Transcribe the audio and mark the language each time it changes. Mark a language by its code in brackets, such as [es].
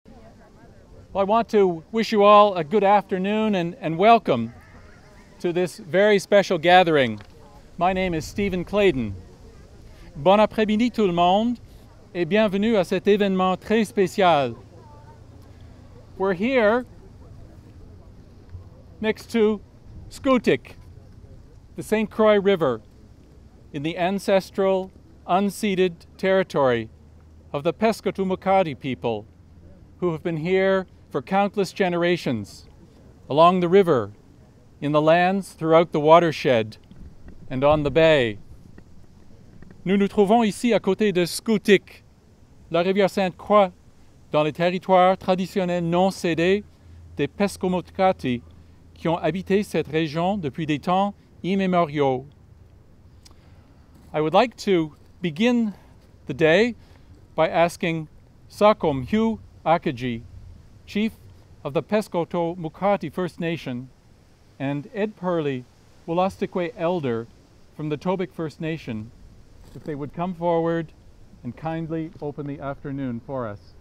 [en] Well, I want to wish you all a good afternoon and welcome to this very special gathering. My name is Stephen Clayton. [fr] Bon après-midi tout le monde et bienvenue à cet événement très spécial. [en] We're here next to Scutic, the St. Croix River, in the ancestral, unceded territory of the Pescatumucati people, who have been here for countless generations, along the river, in the lands throughout the watershed, and on the bay. [fr] Nous nous trouvons ici à côté de Scutic, la rivière Sainte-Croix, dans les territoires traditionnels non cédés des Pescatumucati, qui ont habité cette région depuis des temps immémoriaux. [en] I would like to begin the day by asking Sakom Hugh Akaji, chief of the Pescatumucati First Nation, and Ed Purley, Wolastoqe elder from the Tobik First Nation, if they would come forward and kindly open the afternoon for us.